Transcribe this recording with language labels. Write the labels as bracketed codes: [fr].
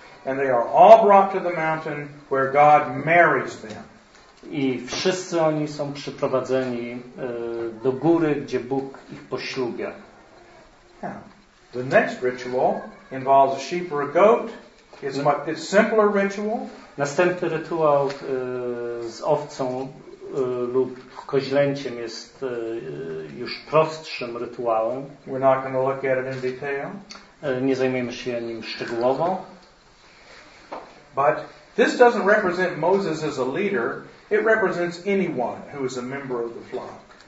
[en] And they are all brought to the mountain where God marries them. [pl] I wszyscy oni są przyprowadzeni do góry, gdzie Bóg ich poślubia. [en] The next ritual involves a sheep or a goat. It's a simpler ritual. [pl] Następny rytuał z owcą lub koźlęciem jest już prostszym rytuałem. [en] We're not going to look at it in detail. [pl] Nie zajmiemy się nim szczegółowo. [en] But this doesn't represent Moses as a leader. It represents anyone who is a member of the flock.